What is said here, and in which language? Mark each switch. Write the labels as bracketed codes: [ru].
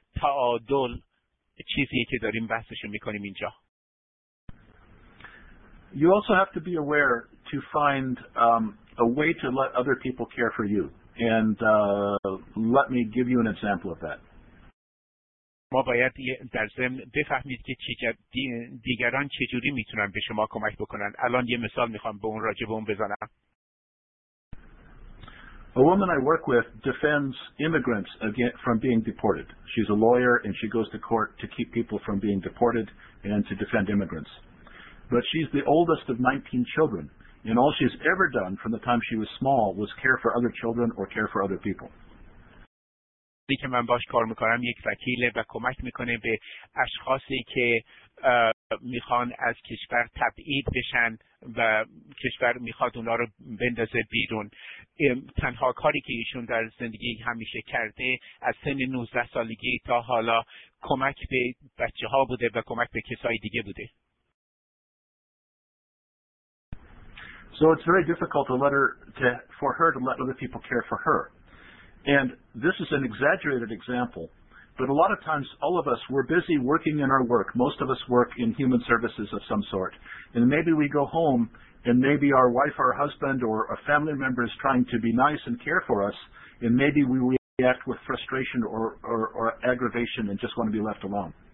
[fa] تعادل چیزیه که داریم بحثشو میکنیم اینجا. [en] You also have to be aware to find a way to let other people care for you. And let me give you an example of that. [fa] ما باید در ضمن بفهمید که دیگران چجوری میتونن به شما کمک بکنن. الان یه مثال میخوام به اون راجع به اون بزنم. [en] A woman I work with defends immigrants from being deported. She's a lawyer and she goes to court to keep people from being deported and to defend immigrants. But she's the oldest of 19 children, and all she's ever done from the time she was small was care for other children or care for other people. [fa] دیگه من باش کار میکنم یک وکیله و کمک میکنه به اشخاصی که میخوان از کشور تبعید بشن و کشور میخواد اونا رو بندازه بیرون. تنها کاری که ایشون در زندگی همیشه کرده از سن 19 سالگی تا حالا کمک به بچه ها بوده و کمک به کسای دیگه بوده. [en] So it's very difficult for her to let other people care for her. And this is an exaggerated example, but a lot of times all of us, we're busy working in our work. Most of us work in human services of some sort. And maybe we go home and maybe our wife or husband or a family member is trying to be nice and care for us, and maybe we react with frustration or aggravation and just want to be left alone.